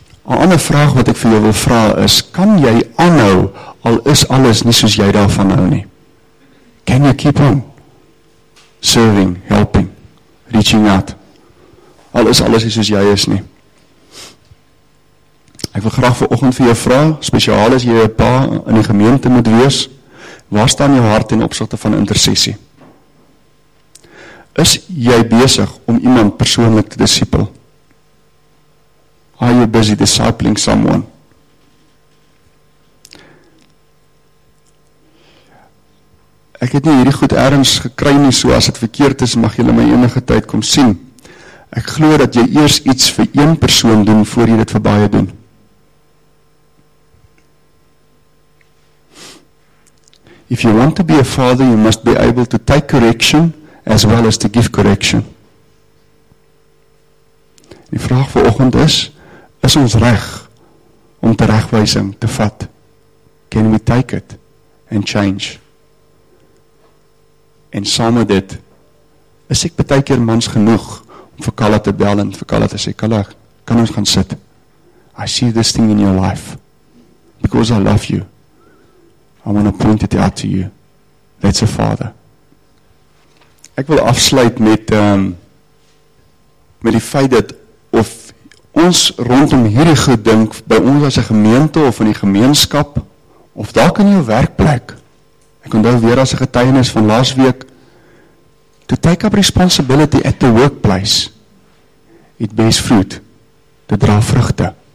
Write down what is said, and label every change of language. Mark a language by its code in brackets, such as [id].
[af] 'N ander vraag wat ek vir jou wil vra is, kan jy aanhou al is alles nie soos jy daarvan hou nie? [en] Can you keep on serving, helping, reaching out? [af] Al is alles nie soos jy is nie. Ek wil graag vanoggend vir jou vra, spesiaal as jy 'n pa in die gemeente moet wees, waar staan jou hart in opsigte van intersessie? Is jy besig om iemand persoonlik te disipel? [en] Are you busy discipling someone? [af] Ek het nie hierdie goed ergens gekry nie, so as het verkeerd is, mag julle my enige tyd kom sien. Ek glo dat jy eers iets vir een persoon doen, voor jy dit vir baie doen. [en] If you want to be a father, you must be able to take correction, as well as to give correction. [af] Die vraag vir oggend is, is ons reg om teregwysing te vat? [en] Can we take it and change? [af] En saam met dit, is ek baie keer mans genoeg om vir Kalla te bel en vir Kalla te sê, Kalla, kan ons gaan sit? [en] I see this thing in your life. Because I love you. I want to point it out to you. That's a father. [af] Ek wil afsluit met die feit dat of ons rondom hierdie gedink by ons as 'n gemeente of in die gemeenskap of dalk in jou werkplek. Ek onthou weer as 'n getuienis van laas week, [en] to take up responsibility at the workplace, it bears fruit, to [af] dra vrugte.